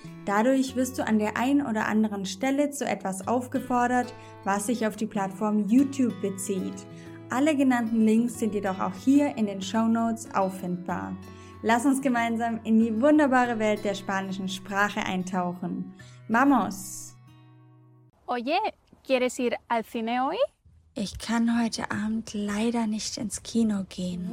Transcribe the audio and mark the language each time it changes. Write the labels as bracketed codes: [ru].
[de] Dadurch wirst du an der einen oder anderen Stelle zu etwas aufgefordert, was sich auf die Plattform YouTube bezieht. Alle genannten Links sind jedoch auch hier in den Shownotes auffindbar. Lass uns gemeinsam in die wunderbare Welt der spanischen Sprache eintauchen. [es] ¡Vamos! Oye, ¿quieres ir al cine hoy? [de] Ich kann heute Abend leider nicht ins Kino gehen.